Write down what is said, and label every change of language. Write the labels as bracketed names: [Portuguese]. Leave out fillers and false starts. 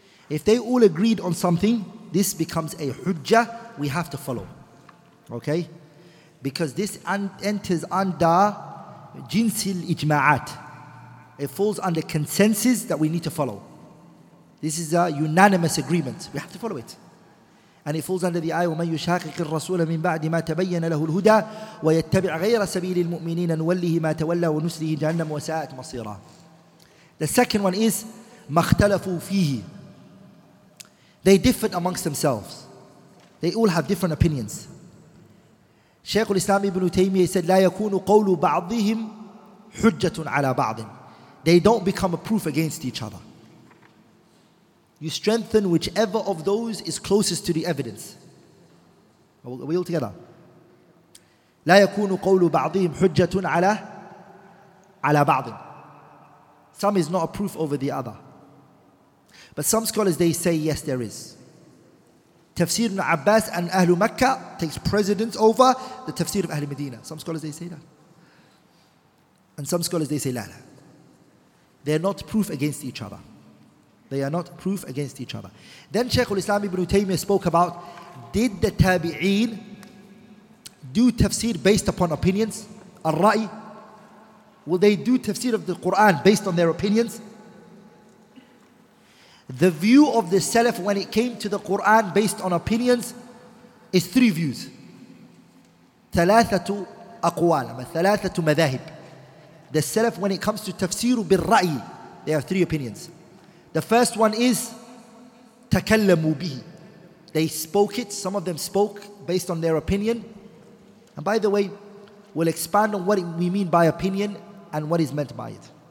[English] If they all agreed on something, this becomes a hujjah we have to follow. Okay? Because this enters under jinsil ijma'at. It falls under consensus that we need to follow. This is a unanimous agreement. We have to follow it. And it falls under the ayah, [Arabic] وَمَنْ يُشَاقِقِ الرَّسُولَ مِنْ بَعْدِ مَا تَبَيَّنَ لَهُ الْهُدَى وَيَتَّبِعْ غَيْرَ سَبِيلِ الْمُؤْمِنِينَ نُوَلِّهِ مَا تَوَلَّى وَنُسْلِهِ جَهَنَّمْ وَسَاءَتْ مَصِيرًا. [English] The second one is, [Arabic] مَخْتَلَفُوا فِيهِ. [English] They differed amongst themselves. They all have different opinions. Shaykh al-Islam ibn Taymiyyah said, [Arabic] لَا يَكُونُ قَوْلُ بَعْضِهِمْ حُجَّةٌ عَلَى بَعْضٍ. [English] They don't become a proof against each other. You strengthen whichever of those is closest to the evidence. Are we all together? [Arabic] لا يكون قول بعضهم حجة على بعض. [English] Some is not a proof over the other. But some scholars, they say, yes, there is. Tafsir ibn Abbas and Ahlu Mecca takes precedence over the tafsir of Ahlu Medina. Some scholars, they say that. And some scholars, they say, لا. They're not proof against each other. They are not proof against each other. Then Shaykh al-Islam ibn Taymiyyah spoke about, did the tabi'een do tafsir based upon opinions? Al-Ra'i? Will they do tafsir of the Qur'an based on their opinions? The view of the Salaf when it came to the Qur'an based on opinions is three views. [Arabic] ثلاثة أقوال ثلاثة مذاهب. [English] The Salaf when it comes to tafsir bil-Ra'i, they have three opinions. The first one is [Arabic] تَكَلَّمُوا بِهِ. [English] They spoke it. Some of them spoke based on their opinion. And by the way, we'll expand on what we mean by opinion and what is meant by it.